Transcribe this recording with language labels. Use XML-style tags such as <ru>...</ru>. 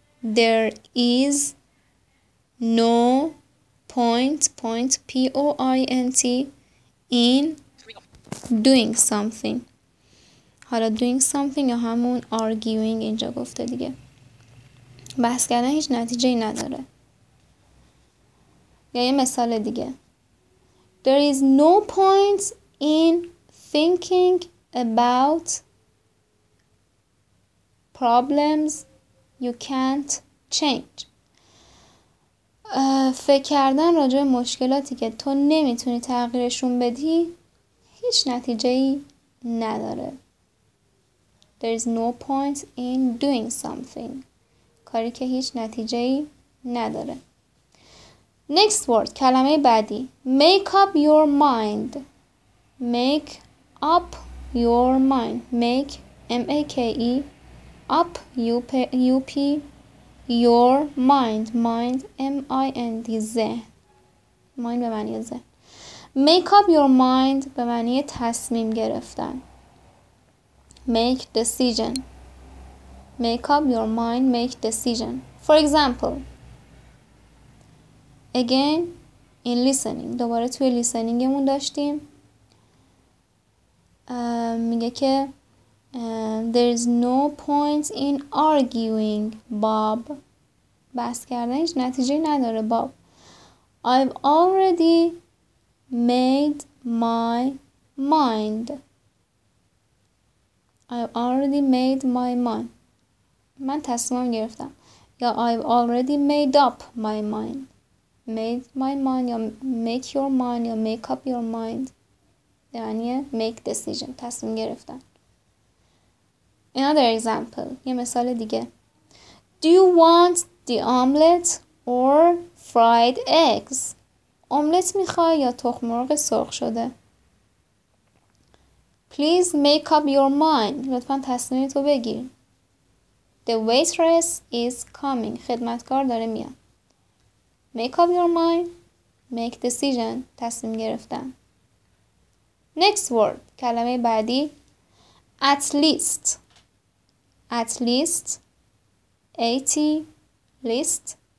<en>There is no point, point, P-O-I-N-T, in doing something.</en> <fa>حالا</fa> <en>doing something</en> <fa>یا همون arguing اینجا گفته دیگه. بحث کردن هیچ نتیجه نداره. یا یه مثال دیگه.</fa> <en>There is no point in thinking about problems you can't change.</en> <fa>فکر کردن راجع به مشکلاتی که تو نمیتونی تغییرشون بدی هیچ نتیجه‌ای نداره.</fa> <en>There is no point in doing something.</en> <fa>کاری که هیچ نتیجه‌ای نداره.</fa> <en>Next word.</en> <fa>کلمه بعدی.</fa> <en>Make up your mind. Make up your mind. Make, M-A-K-E, up, U-P, your mind. Mind, M-I-N-D, ذهن. Mind</en> <fa>به معنی ذهن.</fa> <en>Make up your mind</en> <fa>به معنی تصمیم گرفتن.</fa> <en>Make decision. Make up your mind, make decision. For example, again, in listening.</en> <fa>دوباره توی لیسنینگمون داشتیم. میگه که</fa> <en>there is no point in arguing, Bob.</en> <fa>بس کردن هیچ نتیجه نداره, Bob.</fa> <en>I've already made my mind. I've already made my mind.</en> <fa>من تصمیم گرفتم.</fa> <en>یا I've already made up my mind. Made my mind یا make your mind یا make up your mind.</en> <fa>یعنی</fa> <en>make decision.</en> <fa>تصمیم گرفتم.</fa> <en>Another example.</en> <fa>یه مثال دیگه.</fa> <en>Do you want the omelette or fried eggs?</en> <fa>املت میخوای یا تخم مرغ سرخ شده؟</fa> <en>Please make up your mind.</en> <fa>لطفا تصمیم تو بگیر.</fa> <en>The waitress is coming.</en> <fa>خدمتکار داره میاد.</fa> <en>Make up your mind. Make decision.</en> <fa>تصمیم گرفتن.</fa> <en>Next word.</en> <fa>کلمه بعدی.</fa> <en>At least. At least. A-T. List.</en>